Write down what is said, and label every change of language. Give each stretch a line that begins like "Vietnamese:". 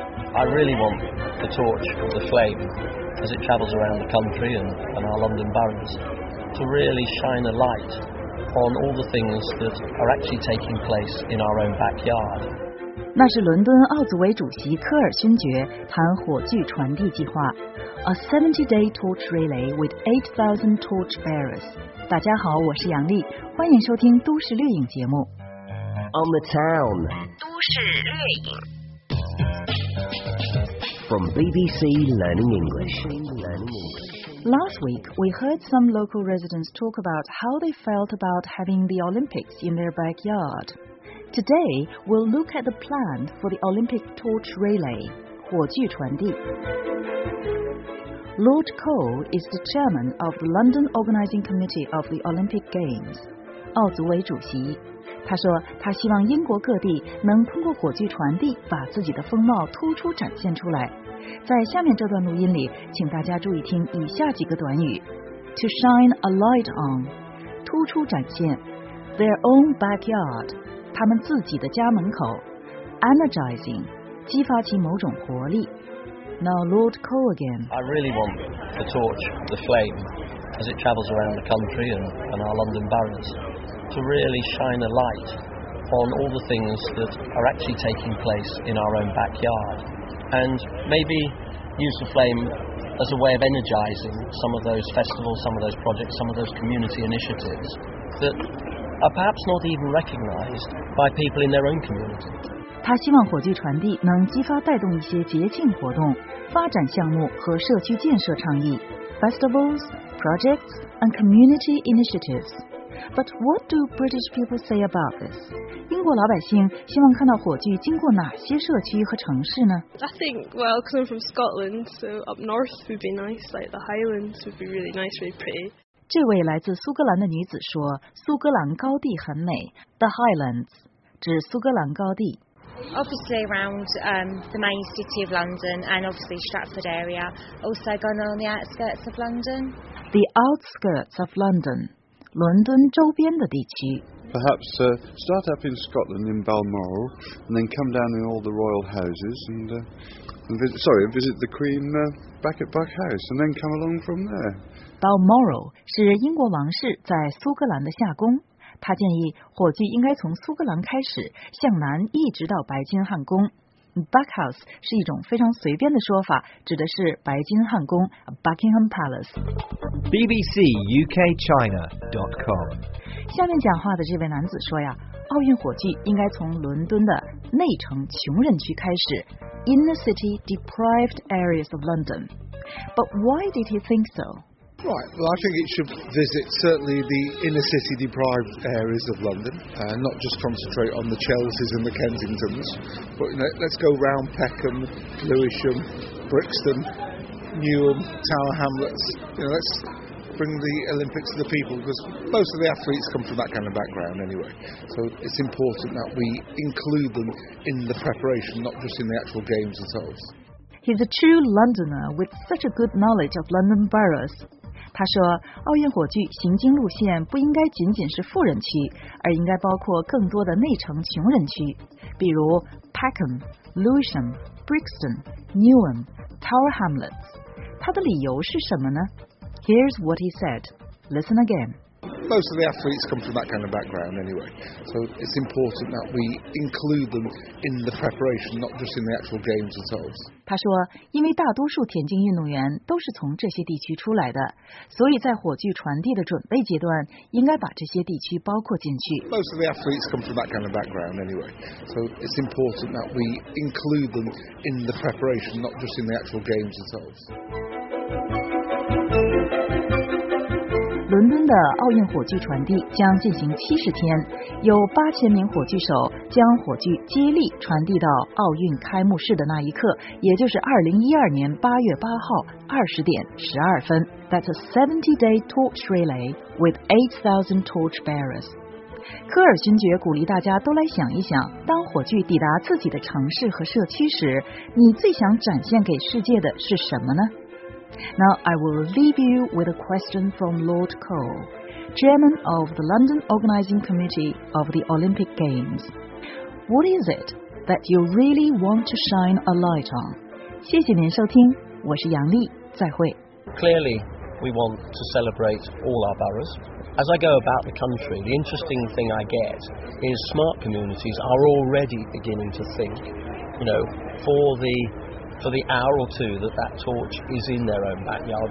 English: I really want the torch, the flame, as it travels around the country and our London boroughs, to really shine a light on all the things that are actually taking place in our own backyard.
Chinese: 那是伦敦奥组委主席科尔勋爵谈火炬传递计划 ，
English: A 70-day torch relay with 8,000 torch bearers。
Chinese: 大家好，我是杨丽，欢迎收听都市绿影节目。
English: On the town，
Chinese: 都市绿影。
English: From BBC Learning English. Last week, we heard some local residents talk about how they felt about having the Olympics in their backyard. Today, we'll look at the plan for the Olympic torch relay,
Chinese: 火炬传递.
English: Lord Cole is the chairman of the London Organising Committee of the Olympic Games,
Chinese: 奥组委主席。他说他希望英国各地能通过火炬传递把自己的风貌突出展现出来。在下面这段录音里，请大家注意听以下几个短语
English: To shine a light on
Chinese: 突出展现
English: Their own backyard
Chinese: 他们自己的家门口
English: Energizing
Chinese: 激发起某种活力
English: Now Lord Cole again I really want the torch, the flame as it travels around the country and our London boroughs to really shine a light on all the things that are actually taking place in our own backyardAnd maybe use the flame as a way of energising some of those festivals, some of those projects, some of those community initiatives that are perhaps not even recognised by people in their own community.
Chinese: 他希望火炬传递能激发带动一些节庆活动、发展项目和社区建设倡议
English: festivals, projects, and community initiatives. But what do British people say about this?
Chinese: 英国老百姓希望看到火炬经过哪些社区和城市呢
English: ？I think, well, coming from Scotland, so up north would be nice, like the Highlands would be really nice, really pretty.
Chinese: 这位来自苏格兰的女子说，苏格兰高地很美 ，the Highlands 指苏格兰高地。
English: Obviously around the main city of London and obviously Stratford area, also going on the outskirts of London. The outskirts of London,
Chinese: 伦敦周边的地区。
English: Perhaps start up in Scotland in Balmoral, and then come down in all the royal houses and visit the Queen back at Buck House, and then come along from there.
Chinese: Balmoral 是英国王室在苏格兰的下宫。他建议火炬应该从苏格兰开始，向南一直到白金汉宫。 Buck House 是一种非常随便的说法，指的是白金汉宫 Buckingham Palace.
English: BBCUKChina.com。
Chinese: 下面讲话的这位男子说呀，奥运火炬应该从伦敦的内城穷人区开始 ，
English: inner city deprived areas of London. But why did he think so? Right. Well, I think it should visit certainly the inner city deprived areas of London, and not just concentrate on the Chelseas and the Kensingtons. But you know, let's go round Peckham, Lewisham, Brixton, Newham, Tower Hamlets. You know, let's. Bring the Olympics to the people because most of the athletes come from that kind of background anyway. So it's important that we include them in the preparation, not just in the actual games themselves. He's a true Londoner with such a good knowledge of London boroughs.
Chinese: 他说，奥运火炬行经路线不应该仅仅是富人区，而应该包括更多的内城穷人区，比如 Peckham, Lewisham, Brixton, Newham, Tower Hamlets. 他的理由是什么呢？
English: Here's what he said. Listen again. Most of the athletes come from that kind of background anyway. So it's important that we include them in the preparation, not just in the actual games themselves.
Chinese: 他说，因为大多数田径运动员都是从这些地区出来的，所以在火炬传递的准备阶段，应该把这些地区包括进去。
English: Most of the athletes come from that kind of background anyway. So it's important that we include them in the preparation, not just in the actual games themselves.
Chinese: 伦敦的奥运火炬传递将进行70天，有8000名火炬手将火炬接力传递到奥运开幕式的那一刻，也就是2012年8月8号20:12。
English: That's a 70-day torch relay with 8,000 torch bearers.
Chinese: 科尔勋爵鼓励大家都来想一想，当火炬抵达自己的城市和社区时，你最想展现给世界的是什么呢？
English: Now I will leave you with a question from Lord Cole, Chairman of the London Organising Committee of the Olympic Games. What is it that that you really want to shine a light on.
Chinese: 谢谢您收听，我是杨丽，再会。
English: Clearly, we want to celebrate all our boroughs. As I go about the country, the interesting thing I get is smart communities are already beginning to think, you know, for the hour or two that torch is in their own backyard.